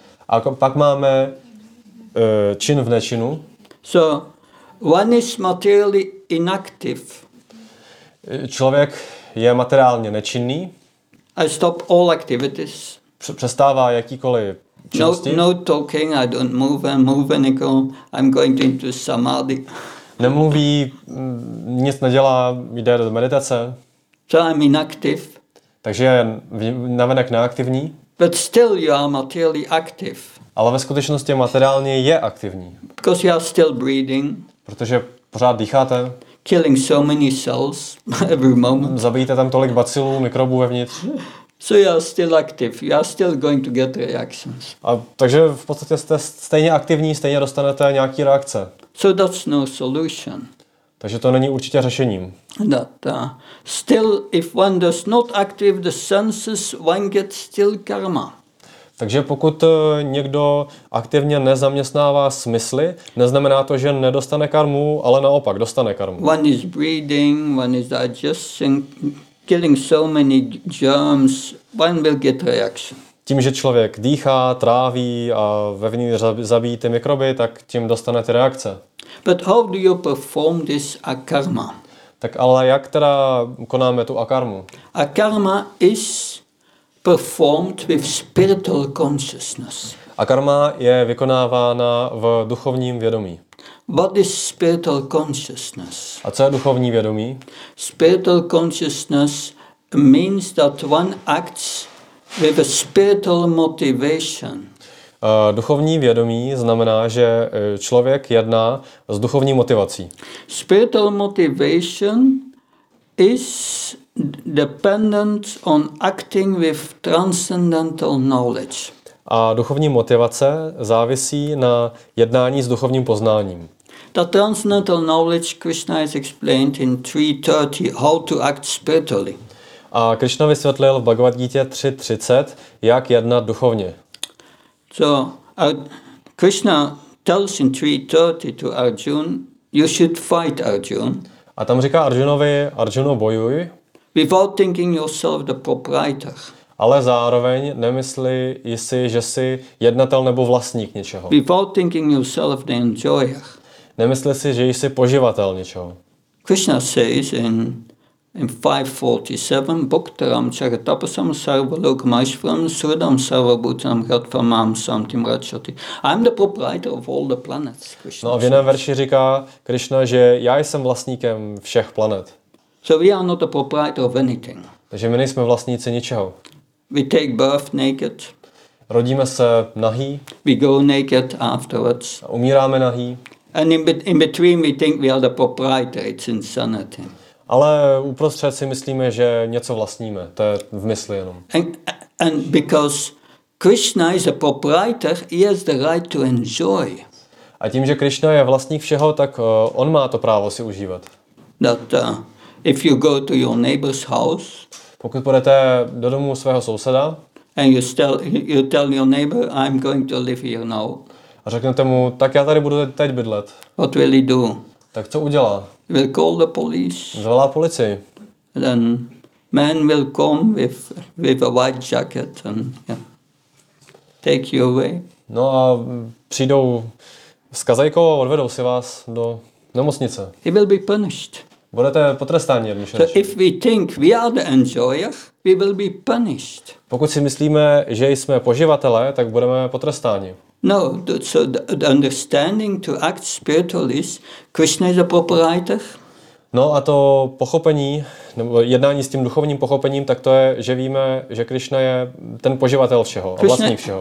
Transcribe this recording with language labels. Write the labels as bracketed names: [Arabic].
[Czech] A pak máme čin v nečinu. [English] So one is materially inactive. [Czech] Člověk je materiálně nečinný. [English] I stop all activities. [Czech] Přestává jakýkoliv činnosti. [English] No talking, I don't move, I'm move anymore, I'm going into samadhi. [Czech] Nemluví, nic nedělá, jde do meditace. [English] So I'm inactive. [Czech] Takže je navenek neaktivní. [English] But still you are materially active. [Czech] Ale ve skutečnosti materiálně je aktivní. [English] Because you are still breathing. [Czech] Protože pořád dýcháte. [English] Killing so many cells every moment. [Czech] Zabijíte tam tolik bacilů, mikrobů vevnitř. [English] So you are still active. You are still going to get reactions. [Czech] A takže v podstatě jste stejně aktivní, stejně dostanete nějaký reakce. [English] So that's no solution. [Czech] Takže to není určitě řešením. [English] That, still if one does not active the senses, one gets still karma. [Czech] Takže pokud někdo aktivně nezaměstnává smysly, neznamená to, že nedostane karmu, ale naopak dostane karmu. [English] One is breathing, one is digesting, killing so many germs, one will get reaction. [Czech] Tím, že člověk dýchá, tráví a vevnitř zabíjí ty mikroby, tak tím dostane ty reakce. [English] But how do you perform this akarma? [Czech] Tak ale jak teda konáme tu akarmu? [English] Akarma is performed with spiritual consciousness. [Czech] A karma je vykonávána v duchovním vědomí. [English] What is spiritual consciousness? [Czech] A co je duchovní vědomí? [English] Spiritual consciousness means that one acts with a spiritual motivation. [Czech] Duchovní vědomí znamená, že člověk jedná s duchovní motivací. [English] Spiritual motivation is dependent on acting with transcendental knowledge. [Czech] A duchovní motivace závisí na jednání s duchovním poznáním. [English] The transcendental knowledge Krishna has explained in 3:30 how to act spiritually. [Czech] A Krishna vysvětlil v Bhagavad Gita 3:30, jak jednat duchovně. [English] So Krishna tells in 3:30 to Arjuna, you should fight Arjuna. [Czech] A tam říká Arjunovi, Arjuno, bojuj. [English] Without thinking yourself the proprietor. [Czech] Ale zároveň nemyslí jsi, že jsi jednatel nebo vlastník něčeho. [English] Without thinking yourself the enjoyer. [Czech] Nemyslí si, že jsi poživatel něčeho. [English] Krishna says in [Sanskrit] 5:47 Bhaktaram Charitapasam Sarvalokamaishvaram Sridam Sarvabhutanam Radhvamam Samtim Radhyati. [English] I'm the proprietor of all the planets, Krishna. [Czech] No a v jiném verši říká Krishna, že já jsem vlastníkem všech planet. [English] So we are not the proprietor of anything. [Czech] Takže my nejsme vlastníci ničeho. [English] We take birth naked. [Czech] Rodíme se nahý. [English] We go naked afterwards. [Czech] A umíráme nahý. [English] And in between we think we are the proprietor. It's insanity. [Czech] Ale uprostřed si myslíme, že něco vlastníme. To je v mysli jenom. [English] And because Krishna is a proprietor, he has the right to enjoy. [Czech] A tím, že Krishna je vlastník všeho, tak on má to právo si užívat. [English] That, if you go to your neighbor's house, [Czech] pokud půjdete do domu svého souseda, [English] and you tell your neighbor, I'm going to live here now. [Czech] A řeknete mu, tak já tady budu teď bydlet. [English] What will he do? [Czech] Tak co udělá? [English] Will call the police. [Czech] Zvolá policii. [English] Then man will come with a white jacket and take you away. [Czech] No a přijdou s kazajkou a odvedou si vás do nemocnice. [English] He will be punished. [Czech] Budete potrestáni jednoduše. [English] So if we think we are the enjoyer, we will be punished. [Czech] Pokud si myslíme, že jsme poživatelé, tak budeme potrestáni. [English] No, so the understanding to act spiritually is Krishna is a proprietor. [Czech] No a to pochopení, nebo jednání s tím duchovním pochopením, tak to je, že víme, že Krishna je ten poživatel všeho, vlastník všeho.